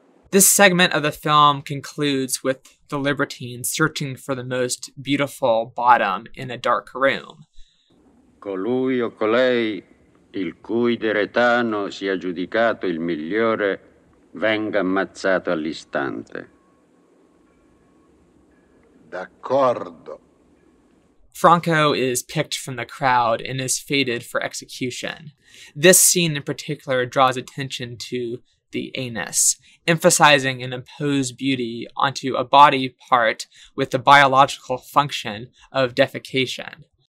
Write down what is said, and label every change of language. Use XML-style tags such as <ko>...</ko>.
<en>This segment of the film concludes with the libertine searching for the most beautiful bottom in a dark room.</en> <it>Colui o colei il cui deretano sia giudicato il migliore venga ammazzato all'istante. D'accordo.</it> <en>Franco is picked from the crowd and is fated for execution. This scene in particular draws attention to the anus, emphasizing an imposed beauty onto a body part with the biological function of defecation.</en>